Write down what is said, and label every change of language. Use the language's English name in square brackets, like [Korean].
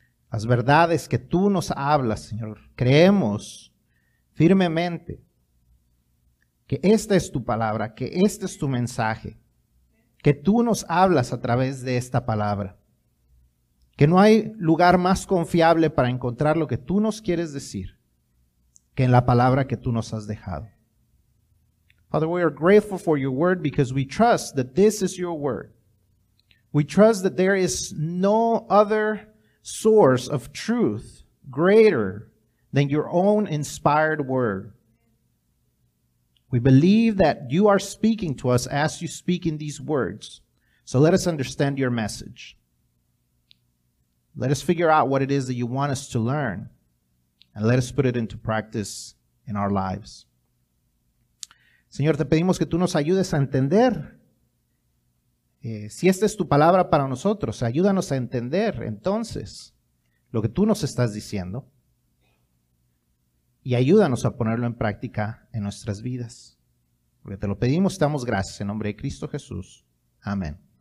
[Spanish] Las verdades que tú nos hablas, Señor. Creemos firmemente que esta es tu palabra, que este es tu mensaje, que tú nos hablas a través de esta palabra, que no hay lugar más confiable para encontrar lo que tú nos quieres decir que en la palabra que tú nos has dejado. [English] Father, we are grateful for your word because we trust that this is your word. We trust that there is no other source of truth greater than your own inspired word. We believe that you are speaking to us as you speak in these words. So let us understand your message. Let us figure out what it is that you want us to learn. And let us put it into practice in our lives. [Spanish] Señor, te pedimos que tú nos ayudes a entender. Si esta es tu palabra para nosotros, ayúdanos a entender entonces lo que tú nos estás diciendo. Y ayúdanos a ponerlo en práctica en nuestras vidas. Porque te lo pedimos, te damos gracias en nombre de Cristo Jesús. Amén.